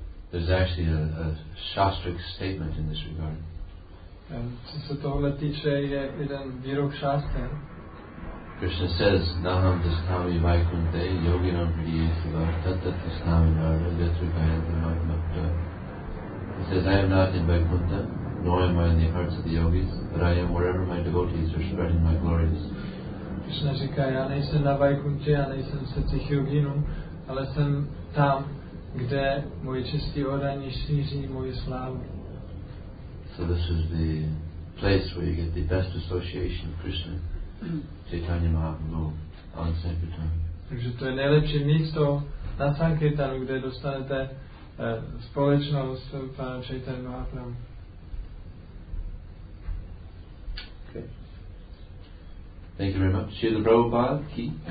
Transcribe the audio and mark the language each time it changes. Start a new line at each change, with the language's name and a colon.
English: There's actually a Shastric statement in this regard.
Czech: Co se tohle týče, je jeden výrok Shastra.
English: Krishna says,
Sanskrit: Naham tasnami vaikunte yoginam priyesuva tatta tasnami nara yatrukayantamakmakta.
English: He says, I am not in Vaikuntha, nor am I in the hearts of the yogis, but I am wherever my devotees are spreading my glories.
Czech: Krishna říká, já nejsem na Vaikunthe, já nejsem v srdcích yoginů, ale jsem tam, kde moji čistí oddaní šíří moji slávu.
English: So this is the place where you get the best association of Krishna, Chaitanya Mahaprabhu, on Sankirtan.
Czech: Takže to je nejlepší místo na Sankirtanu, kde dostanete společnost pana Chaitanya Mahaprabhu.
English: Thank you very much. Srila Prabhupada ki.